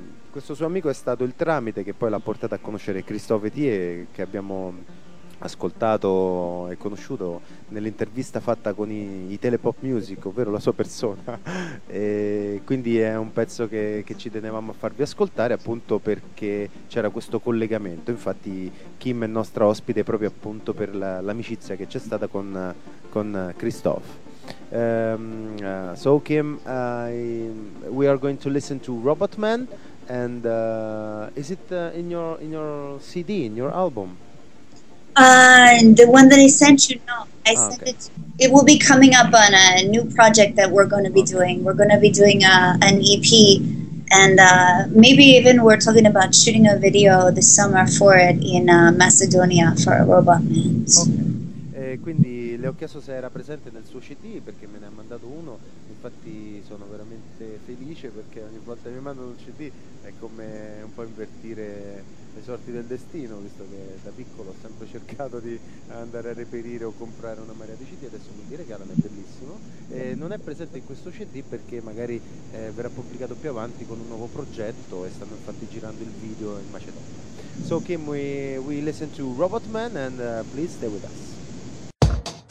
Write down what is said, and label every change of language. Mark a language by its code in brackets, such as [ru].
[it] Questo suo amico è stato il tramite che poi l'ha portato a conoscere Christophe Thier, che abbiamo ascoltato e conosciuto nell'intervista fatta con i Telepop Music, ovvero la sua persona. E quindi è un pezzo che ci tenevamo a farvi ascoltare, appunto perché c'era questo collegamento. Infatti Kim è nostra ospite proprio appunto per l'amicizia che c'è stata con Christophe. [en] So Kim, we are going to listen to Robot Man, and is it in your CD, in your album? The one that I sent you, no. It will be coming up on a new project that we're going to be doing. We're going to be doing an EP, and maybe even we're talking about shooting a video this summer for it in Macedonia for a Robot Man. Okay. [it] quindi le ho chiesto se era presente nel suo CD, perché me ne ha mandato uno. Infatti sono veramente felice, perché ogni volta che mi mandano un CD è come un po' invertire le sorti del destino, visto che da piccolo ho sempre cercato di andare a reperire o comprare una marea di CD. Adesso mi dire che Alan è bellissimo, non è presente in questo CD perché magari verrà pubblicato più avanti con un nuovo progetto, e stanno infatti girando il video in Macedonia. [en] So Kim, we listen to Robot Man, and please stay with us.